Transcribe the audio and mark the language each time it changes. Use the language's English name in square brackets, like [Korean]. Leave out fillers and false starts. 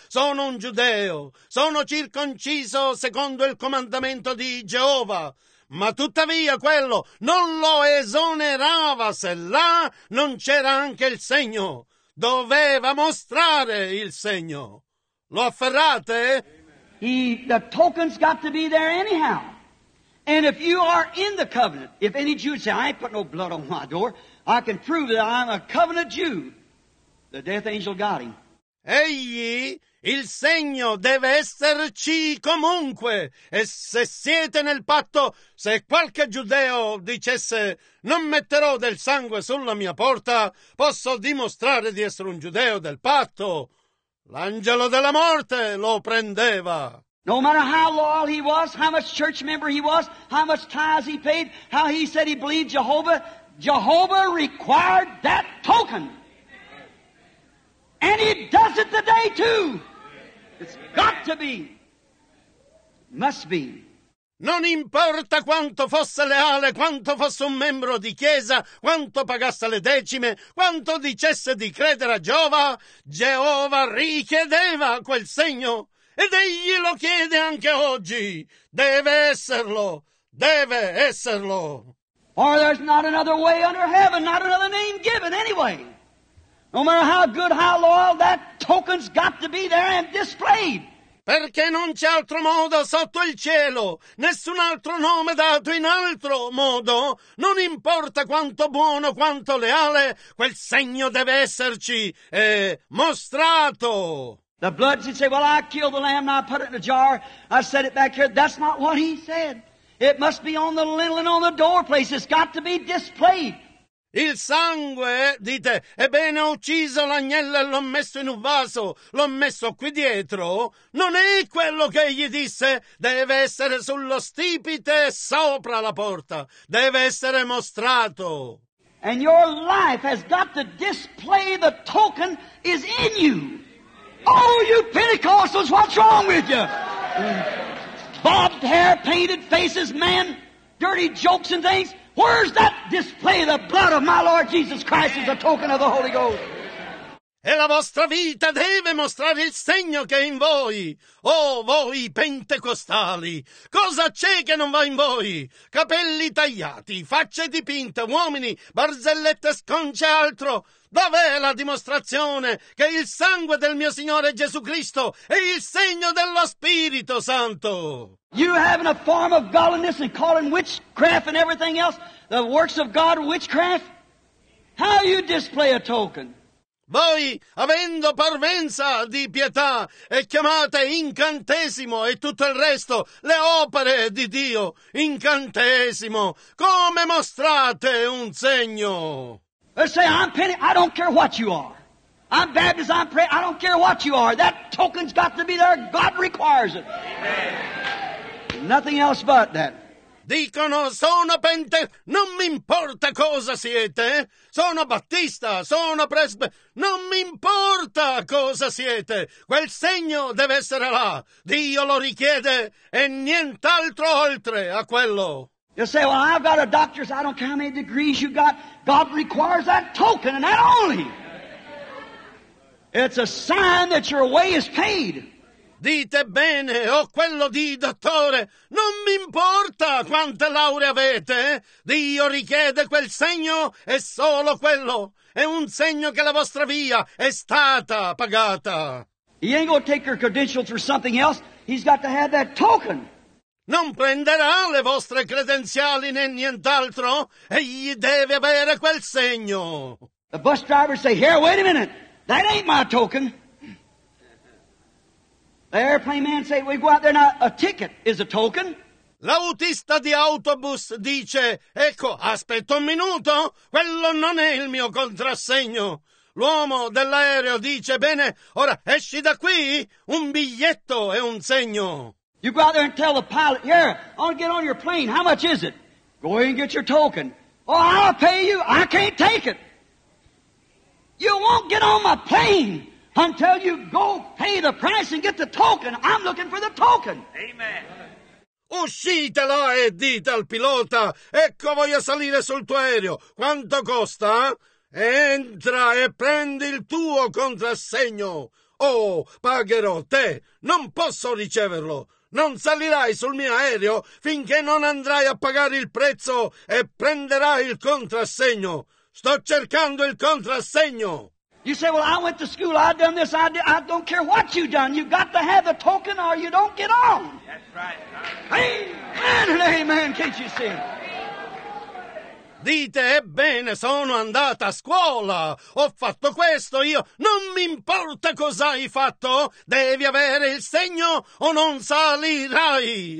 [Italian] Sono un giudeo, sono circonciso secondo il comandamento di Geova. Ma tuttavia quello non lo esonerava se là non c'era anche il segno. Doveva mostrare il segno. Lo afferrate? [English] The token's got to be there anyhow. And if you are in the covenant, if any Jew would say, I ain't put no blood on my door, I can prove that I'm a covenant Jew. The death angel got him. [Italian] Egli, il segno deve esserci comunque. E se siete nel patto, se qualche giudeo dicesse, non metterò del sangue sulla mia porta, posso dimostrare di essere un giudeo del patto. L'angelo della morte lo prendeva. [English] No matter how loyal he was, how much church member he was, how much tithes he paid, how he said he believed Jehovah, Jehovah required that token. And he does it today too. It's got to be. Must be. [Italian] Non importa quanto fosse leale, quanto fosse un membro di chiesa, quanto pagasse le decime, quanto dicesse di credere a Geova, Geova richiedeva quel segno. Ed egli lo chiede anche oggi. Deve esserlo. Deve esserlo. [English] Or there's not another way under heaven, not another name given anyway. No matter how good, how loyal, that token's got to be there and displayed. [Italian] Perché non c'è altro modo sotto il cielo, nessun altro nome dato in altro modo. Non importa quanto buono, quanto leale, quel segno deve esserci e mostrato. [English] The blood, he'd say, well, I killed the lamb and I put it in a jar. I set it back here. That's not what he said. It must be on the lintel and on the door place. It's got to be displayed. [Italian] Il sangue, dite, ebbene ho ucciso l'agnello e l'ho messo in un vaso, l'ho messo qui dietro. Non è quello che egli disse. Deve essere sullo stipite sopra la porta. Deve essere mostrato. [English] And your life has got to display the token is in you. Oh, you Pentecostals, what's wrong with you? Bobbed hair, painted faces, man, dirty jokes and things. Where's that display? The blood of my Lord Jesus Christ is a token of the Holy Ghost. [Italian] E la vostra vita deve mostrare il segno che è in voi. Oh, voi pentecostali, cosa c'è che non va in voi? Capelli tagliati, facce dipinte, uomini, barzellette sconce e altro. Dov'è la dimostrazione che il sangue del mio Signore Gesù Cristo è il segno dello Spirito Santo? [English] You having a form of godliness and calling witchcraft and everything else, the works of God witchcraft? How you display a token? [Italian] Voi, avendo parvenza di pietà, e chiamate incantesimo e tutto il resto, le opere di Dio, incantesimo, come mostrate un segno? [English] They say, I'm Penny, I don't care what you are. I'm Baptist, I'm pray, I don't care what you are. That token's got to be there, God requires it. Amen. Nothing else but that. [Italian] Dicono, sono pente, non mi importa cosa siete, sono battista, sono presbite, non mi importa cosa siete, quel segno deve essere là, Dio lo richiede e nient'altro oltre a quello. [English] You say, well, I've got a doctor's, I don't care how many degrees you got, God requires that token and that only. It's a sign that your way is paid. [Italian] Dite bene, ho quello di dottore, non mi importa quante lauree avete, Dio richiede quel segno e solo quello, è un segno che la vostra via è stata pagata. [English] He ain't gonna take your credentials for something else, he's got to have that token. [Italian] Non prenderà le vostre credenziali né nient'altro, egli deve avere quel segno. [English] The bus drivers say, here, wait a minute, that ain't my token. The airplane man say, we go out there now, a ticket is a token. [Italian] L'autista di autobus dice, ecco, aspetta un minuto, quello non è il mio contrassegno. L'uomo dell'aereo dice, bene, ora esci da qui, un biglietto è un segno. [English] You go out there and tell the pilot, here, I want to get on your plane, how much is it? Go ahead and get your token. Oh, I'll pay you, I can't take it. You won't get on my plane. Until you go pay the price and get the token. I'm looking for the token. Amen. [Italian] Uscite là e dite al pilota, ecco voglio salire sul tuo aereo. Quanto costa? Entra e prendi il tuo contrassegno. Oh, pagherò te. Non posso riceverlo. Non salirai sul mio aereo finché non andrai a pagare il prezzo e prenderai il contrassegno. Sto cercando il contrassegno. [English] You say, well, I went to school, I've done this, I don't care what you've done. You've got to have the token or you don't get on. That's right. Amen and amen, can't you see? [Italian] Dite, ebbene, sono andata a scuola, ho fatto questo io, non mi importa cosa hai fatto, devi avere il segno o non salirai.